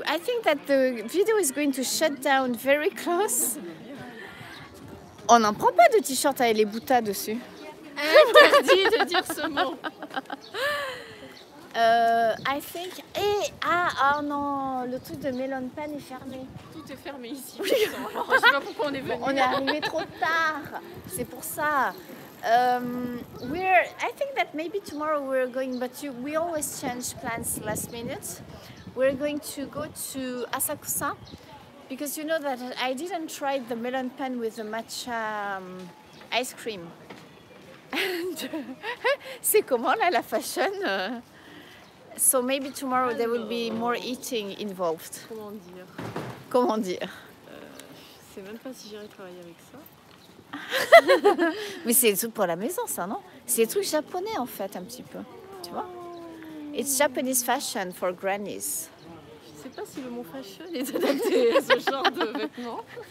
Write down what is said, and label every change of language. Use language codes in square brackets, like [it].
[en] I think that the video is going to shut down very close. [fr] On n'en prend pas de t-shirt avec les boutas dessus. Interdit de dire ce mot. [en] I think... [fr] Et, ah, oh non, le truc de Melon Pan est fermé. Tout est fermé ici. Oui. Je ne sais pas pourquoi on est venu. Bon, on est arrivé trop tard. C'est pour ça. [en] I think that maybe tomorrow we're going, but we always change plans last minute. We're going to go to Asakusa because you know that I didn't try the melon pan with the matcha ice cream. [fr] And c'est comment là la fashion? [en] So maybe tomorrow there will be more eating involved. [fr] Comment dire? Comment dire? Je sais même pas si j'irai travailler avec ça. Mais c'est des trucs pour la maison, ça, non? C'est des trucs japonais, en fait, un petit peu. Tu vois? [en] It's Japanese fashion for grannies. [fr] Je sais pas si le mot fashion est adapté à ce genre de vêtements.